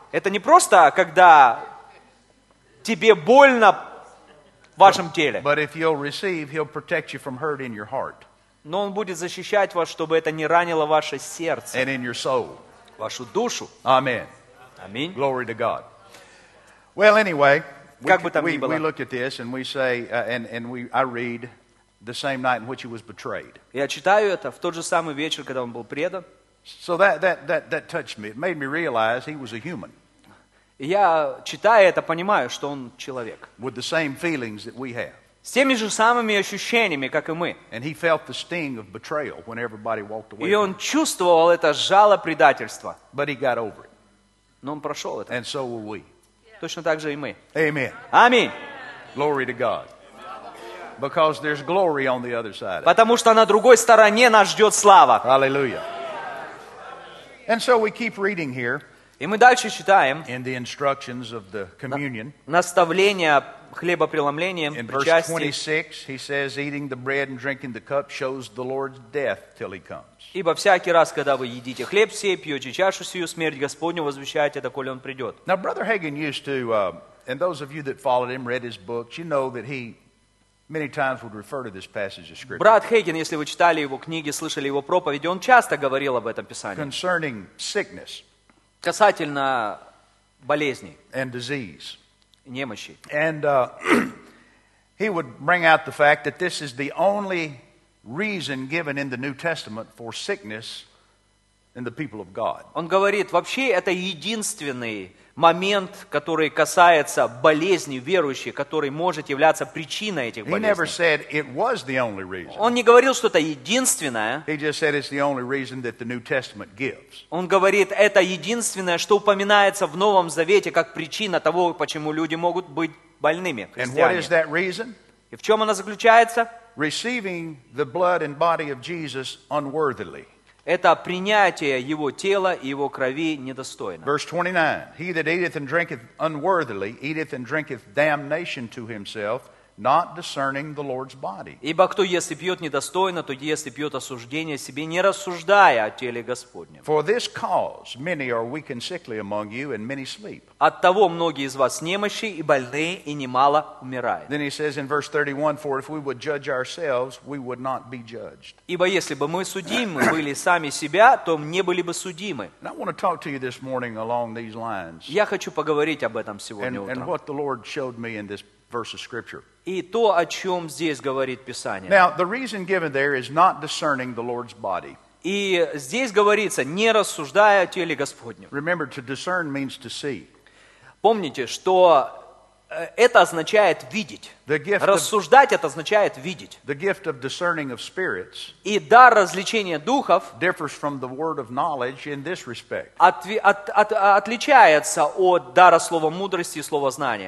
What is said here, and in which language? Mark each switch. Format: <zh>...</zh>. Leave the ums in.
<ru>Это не просто, когда тебе больно в вашем теле.</ru> <en>But if you'll receive, he'll protect you from hurt in your heart.</en> <ru>Но он будет защищать вас, чтобы это не ранило ваше сердце.</ru> <en>And in your soul.</en> <ru>Вашу душу. Аминь. Аминь.</ru> <en>Glory to God. Well, anyway,</en> <ru>как we, бы там we, ни было.</ru> <en>We look at this and we say, uh, and, and we, I read, the same night in which he was betrayed.</en> <ru>Я читаю это в тот же самый вечер, когда он был</ru> <en>So that that that that touched me. It made me realize he was a human.</en> <ru>Я читая это, понимаю, что он человек.</ru> <en>With the same feelings that we have.</en> <ru>С теми же самыми ощущениями, как и мы.</ru> <en>And he felt the sting of betrayal when everybody walked away.</en> <ru>И он чувствовал это жало предательства.</ru> <en>But he got over it.</en> <ru>Но он прошел это.</ru> <en>And so will we.</en> <ru>Точно так же и мы.</ru> <en>Amen.</en> <ru>Аминь.</ru> <en>Glory to God. Because there's glory on the other side.</en> <ru>Потому что на другой стороне нас ждет слава.</ru> <en>Hallelujah. And so we keep reading here.</en> <ru>И мы дальше читаем.</ru> <en>In the instructions of the communion.</en> <ru>Наставление хлебопреломлением.</ru> <en>In verse 26, he says, eating the bread and drinking the cup shows the Lord's death till he comes.</en> <ru>Ибо всякий раз, когда вы едите хлеб сей, пьете чашу сию, смерть Господню возвещаете, доколе он придет.</ru> <en>Now, Brother Hagen used to, uh, and those of you that followed him, read his books, you know that he</en> <ru>Брат Хейген, если вы читали его книги, слышали его проповеди, он часто говорил об этом Писании. Касательно болезней и немощи.</ru> <en>He would bring out the fact that this is the only reason given in the New Testament for sickness in the people of God.</en> <ru>Он говорит, вообще это единственный момент, который касается болезни верующих, который может являться причиной этих</ru> <en>He</en> <ru>болезней. Он не говорил, что это единственное. Он говорит, это единственное, что упоминается в Новом Завете как причина того, почему люди могут быть больными, И в чем она заключается?</ru> <en>Receiving the blood and body of Jesus unworthily. Verse 29. He that eateth and drinketh unworthily eateth and drinketh damnation to himself, not discerning the Lord's body.</en> <ru>Ибо кто ест и пьет недостойно, то ест и пьет осуждение себе, не рассуждая о теле Господнем.</ru> <en>For this cause many are weak and sickly among you, and many sleep.</en> <ru>От того многие из вас немощи и больны, и немало умирают.</ru> <en>Then he says in verse 31, for if we would judge ourselves, we would not be judged.</en> <ru>Ибо если бы мы судимы были сами себя, то не были бы судимы.</ru> <en>And I want to talk to you this morning along these lines.</en> <ru>Я хочу поговорить об этом сегодня утром.</ru> <en>And what the Lord showed me in this verse of scripture.</en> <ru>И то, о чем здесь говорит Писание.</ru> <en>Now, the reason given there is not discerning the Lord's body.</en> <ru>И здесь говорится, не рассуждая о теле Господнем.</ru> <en>Remember, to discern means to see.</en> <ru>Помните, что это означает видеть. Of, рассуждать это означает видеть. Of of и дар различения духов от, от, от, отличается от дара слова мудрости и слова знания.</ru>